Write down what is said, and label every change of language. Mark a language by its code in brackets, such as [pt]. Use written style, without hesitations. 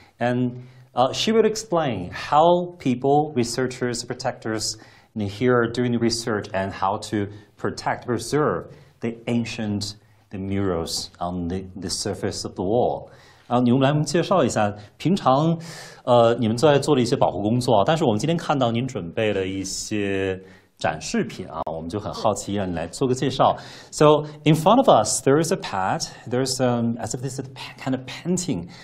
[en] And she would explain how people, researchers, protectors here are doing research and how to protect, preserve the ancient the murals on the surface of the wall. [zh] 你们来我们介绍一下，平常你们在做的一些保护工作，但是我们今天看到您准备了一些 展示品啊，我们就很好奇，让你来做个介绍。 [en] So in front of us, there is a pad. There's as if this is a kind of painting.